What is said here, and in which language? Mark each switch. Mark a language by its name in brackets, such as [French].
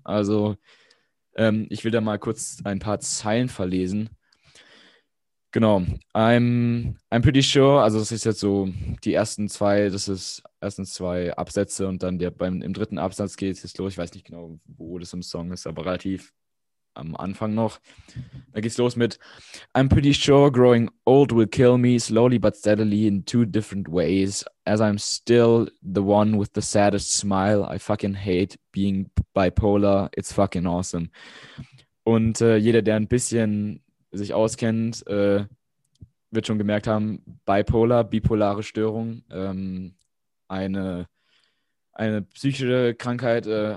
[German] Also ich will da mal kurz ein paar Zeilen verlesen. Genau, [English] I'm pretty sure, [German] also das ist jetzt so die ersten zwei, das ist erstens zwei Absätze und dann im dritten Absatz geht es jetzt los, ich weiß nicht genau, wo das im Song ist, aber relativ am Anfang noch. Da geht's los mit [English] I'm pretty sure growing old will kill me slowly but steadily in two different ways as I'm still the one with the saddest smile. I fucking hate being bipolar. It's fucking awesome. [German] Und jeder, der ein bisschen sich auskennt, wird schon gemerkt haben, bipolare Störung, eine psychische Krankheit,